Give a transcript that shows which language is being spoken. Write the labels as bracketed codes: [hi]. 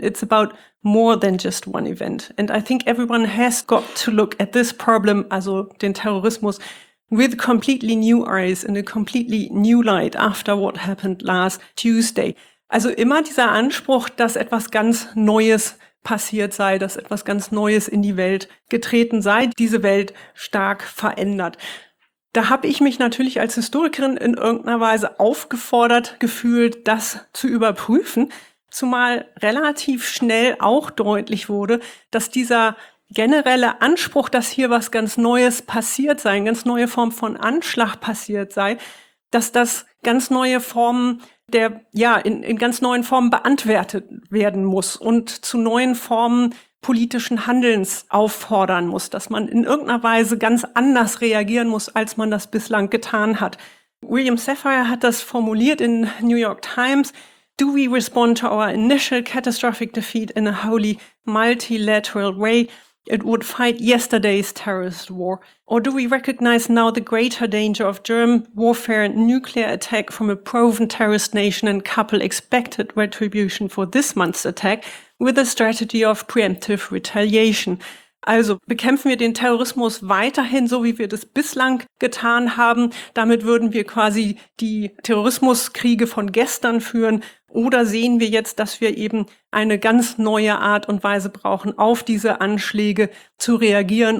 [en] It's about more than just one event. And I think everyone has got to look at this problem, [de] also den Terrorismus, [en] with completely new eyes and a completely new light after what happened last Tuesday. [de] Also immer dieser Anspruch, dass etwas ganz Neues passiert sei, dass etwas ganz Neues in die Welt getreten sei, diese Welt stark verändert. Da habe ich mich natürlich als Historikerin in irgendeiner Weise aufgefordert gefühlt, das zu überprüfen, zumal relativ schnell auch deutlich wurde, dass dieser generelle Anspruch, dass hier was ganz Neues passiert sei, eine ganz neue Form von Anschlag passiert sei, dass das ganz neue Formen der, ja, in ganz neuen Formen beantwortet werden muss und zu neuen Formen politischen Handelns auffordern muss, dass man in irgendeiner Weise ganz anders reagieren muss, als man das bislang getan hat. William Sapphire hat das formuliert in New York Times. [en] Do we respond to our initial catastrophic defeat in a wholly multilateral way? It would fight yesterday's terrorist war. Or do we recognize now the greater danger of germ warfare and nuclear attack from a proven terrorist nation and couple expected retribution for this month's attack with a strategy of preemptive retaliation? [de] Also bekämpfen wir den Terrorismus weiterhin so, wie wir das bislang getan haben? Damit würden wir quasi die Terrorismuskriege von gestern führen. Oder sehen wir jetzt, dass wir eben eine ganz neue Art und Weise brauchen, auf diese Anschläge zu reagieren?